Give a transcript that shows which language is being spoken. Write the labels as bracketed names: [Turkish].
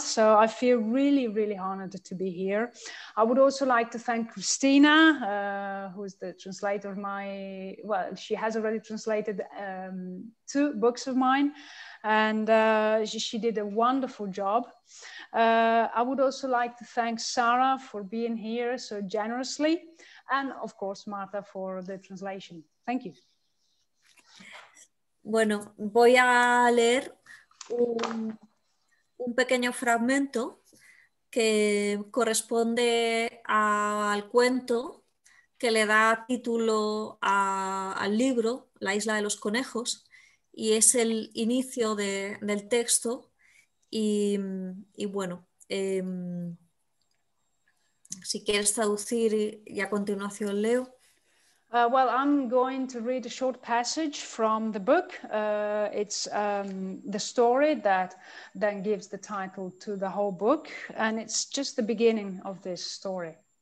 [English] So I feel really, really honored to be here. I would also like to thank Christina, who is the translator of she has already translated two books of mine, and she did a wonderful job. I would also like to thank Sarah for being here so generously, and of course, Marta for the translation. Thank you. [Spanish] Bueno, voy a leer un pequeño fragmento que corresponde al cuento que le da título al libro, La isla de los conejos, y es el inicio del texto. Y bueno, si quieres traducir y a continuación leo. [English] Well, I'm going to read a short passage from the book. It's the story that then gives the title to the whole book, and it's just the beginning of this story.